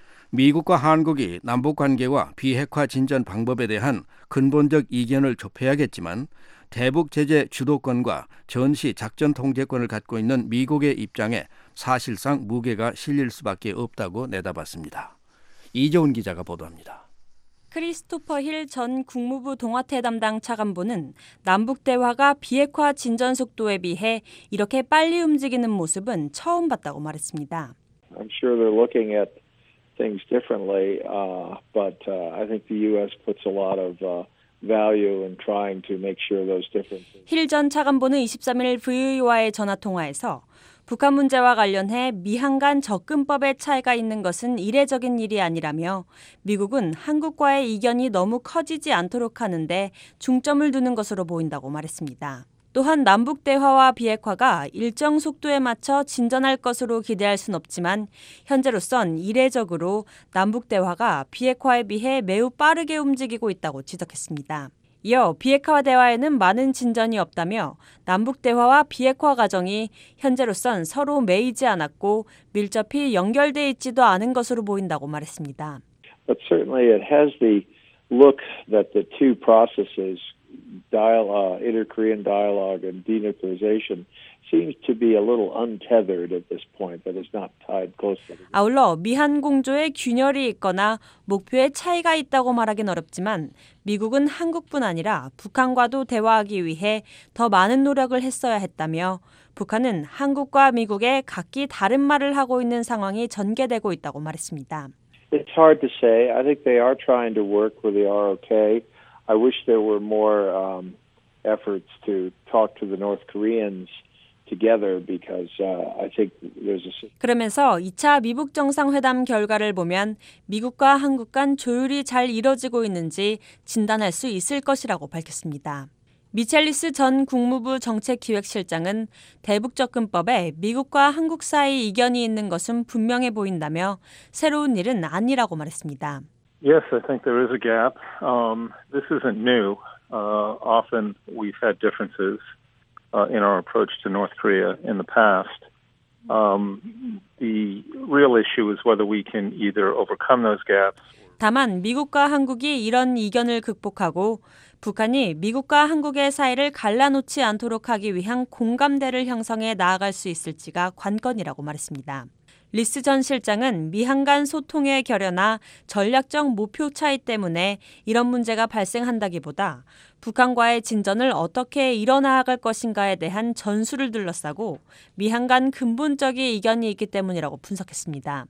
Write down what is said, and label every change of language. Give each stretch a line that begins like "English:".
Korean: 미국과 한국이 남북관계와 비핵화 진전 방법에 대한 근본적 이견을 좁혀야겠지만 대북 제재 주도권과 전시 작전 통제권을 갖고 있는 미국의 입장에 사실상 무게가 실릴 수밖에 없다고 내다봤습니다. 이재훈 기자가 보도합니다. 크리스토퍼 힐 전 국무부 동아태 담당 차관보는 남북 대화가 비핵화 진전 속도에 비해 이렇게 빨리 움직이는 모습은 처음 봤다고 말했습니다.
English: I'm sure they're looking at things differently, but I think the U.S. puts a lot of value in trying to make sure those differences.
Korean: 힐 전 차관보는 23일 VOA와의 전화 통화에서 북한 문제와 관련해 미한 간 접근법의 차이가 있는 것은 이례적인 일이 아니라며 미국은 한국과의 이견이 너무 커지지 않도록 하는데 중점을 두는 것으로 보인다고 말했습니다. 또한 남북 대화와 비핵화가 일정 속도에 맞춰 진전할 것으로 기대할 순 없지만 현재로선 이례적으로 남북 대화가 비핵화에 비해 매우 빠르게 움직이고 있다고 지적했습니다. 이어 비핵화 대화에는 많은 진전이 없다며 남북 대화와 비핵화 과정이 현재로선 서로 매이지 않았고 밀접히 연결돼 있지도 않은 것으로 보인다고 말했습니다.
English: But certainly it has the look that the two processes, dialogue, inter-Korean dialogue and denuclearization seems to be a little untethered at this point, that it's not tied closely.
Korean: 아울러 미한 공조에 균열이 있거나 목표에 차이가 있다고 말하긴 어렵지만 미국은 한국뿐 아니라 북한과도 대화하기 위해 더 많은 노력을 했어야 했다며 북한은 한국과 미국의 각기 다른 말을 하고 있는 상황이 전개되고 있다고 말했습니다.
English: It's hard to say. I think they are trying to work with the ROK. I wish there were more efforts to talk to the North Koreans.
Korean: 그러면서 2차 미북 정상회담 결과를 보면 미국과 한국 간 조율이 잘 이뤄지고 있는지 진단할 수 있을 것이라고 밝혔습니다. 미첼리스 전 국무부 정책기획실장은 대북접근법에 미국과 한국 사이 이견이 있는 것은 분명해 보인다며 새로운 일은 아니라고 말했습니다.
English: Yes, I think there is a gap. This isn't new. Often we've had differences. In our approach to North Korea in the past, the real issue is whether we can either overcome those gaps.
Korean: 다만 미국과 한국이 이런 이견을 극복하고 북한이 미국과 한국의 사이를 갈라놓지 않도록 하기 위한 공감대를 형성해 나아갈 수 있을지가 관건이라고 말했습니다. 리스 전 실장은 미한 간 소통의 결여나 전략적 목표 차이 때문에 이런 문제가 발생한다기보다 북한과의 진전을 어떻게 이뤄나갈 것인가에 대한 전술을 둘러싸고 미한 간 근본적인 이견이 있기 때문이라고 분석했습니다.